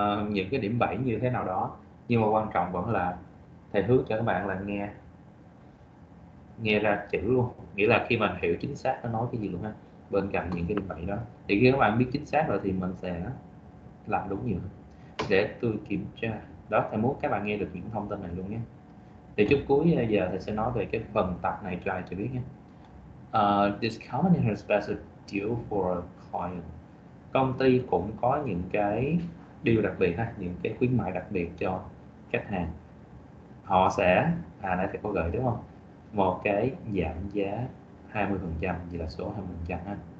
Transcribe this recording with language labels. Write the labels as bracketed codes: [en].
[vi] Những cái điểm bảy như thế nào đó, nhưng mà quan trọng vẫn là thầy hướng cho các bạn là nghe nghe ra chữ luôn, nghĩa là khi mà hiểu chính xác nó nói cái gì luôn ha, bên cạnh những cái điểm bảy đó. Thì khi các bạn biết chính xác rồi thì mình sẽ làm đúng nhiều. Để tôi kiểm tra đó, thầy muốn các bạn nghe được những thông tin này luôn nhé. Thì chút cuối giờ thầy sẽ nói về cái phần tập này cho ai cho biết nhé. [en] This company has special deal for a client. [vi] Công ty cũng có những cái điều đặc biệt ha, những cái khuyến mại đặc biệt cho khách hàng. Họ sẽ, à nãy thầy có gửi đúng không, một cái giảm giá 20%, vậy là số 20% ha.